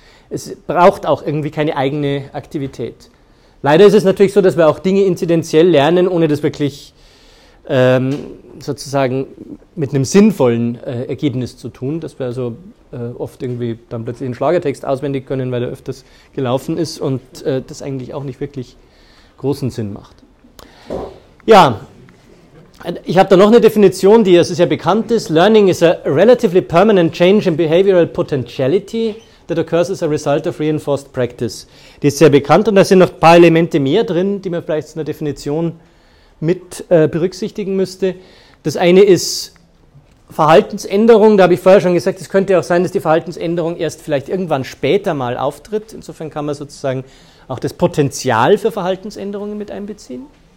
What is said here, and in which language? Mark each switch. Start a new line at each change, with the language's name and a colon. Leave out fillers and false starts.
German: Es braucht auch irgendwie keine eigene Aktivität. Leider ist es natürlich so, dass wir auch Dinge inzidentiell lernen, ohne das wirklich sozusagen mit einem sinnvollen Ergebnis zu tun, dass wir also oft irgendwie dann plötzlich einen Schlagertext auswendig können, weil er öfters gelaufen ist und das eigentlich auch nicht wirklich großen Sinn macht. Ja, ich habe da noch eine Definition, die also sehr bekannt ist.
English: Learning is a relatively permanent change in behavioral potentiality that occurs as a result of reinforced practice.
German: Die ist sehr bekannt und da sind noch ein paar Elemente mehr drin, die man vielleicht zu einer Definition mit berücksichtigen müsste. Das eine ist Verhaltensänderung. Da habe ich vorher schon gesagt, es könnte auch sein, dass die Verhaltensänderung erst vielleicht irgendwann später mal auftritt. Insofern kann man sozusagen auch das Potenzial für Verhaltensänderungen mit einbeziehen.